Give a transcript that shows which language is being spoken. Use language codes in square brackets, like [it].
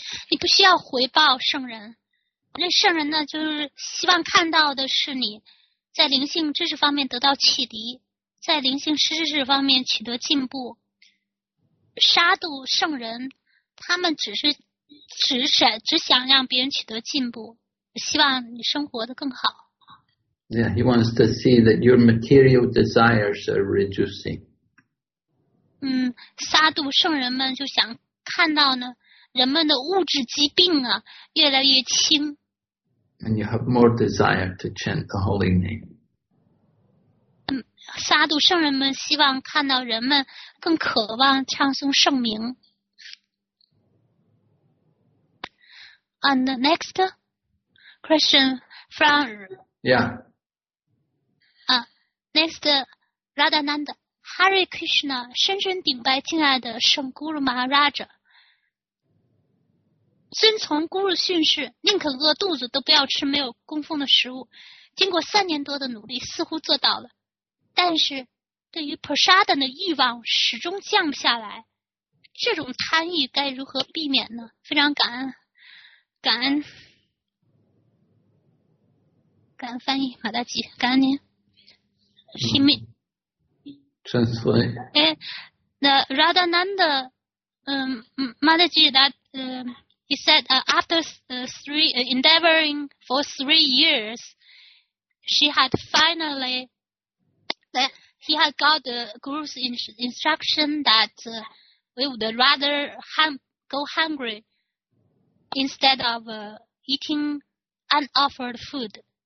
[zh] 你不需要回报圣人，那圣人呢，就是希望看到的是你在灵性知识方面得到启迪，在灵性知识方面取得进步。沙度圣人，他们只想让别人取得进步，希望你生活得更好。 [en] Yeah, he wants to see that your material desires are reducing. [zh] 沙度圣人们就想看到呢。人们的物质疾病啊，越来越轻。 [en] And you have more desire to chant the holy name. [zh] 沙度圣人们希望看到人们更渴望唱诵圣名。 [en] And the next question from next Radhananda, Hare Krishna, [zh] 深深顶拜敬爱的圣 [en] Guru Maharaj。 [zh] 遵从咕噜训示，宁可饿肚子都不要吃没有供奉的食物，经过三年多的努力似乎做到了，但是对于 prasadam 的欲望始终降不下来，这种贪欲该如何避免呢？非常感恩翻译马大吉，感恩您。 [en] He may translate. The Radhananda Mataji that he said after endeavoring for 3 years, she had finally, he had got the guru's instruction that we would rather go hungry instead of eating unoffered food.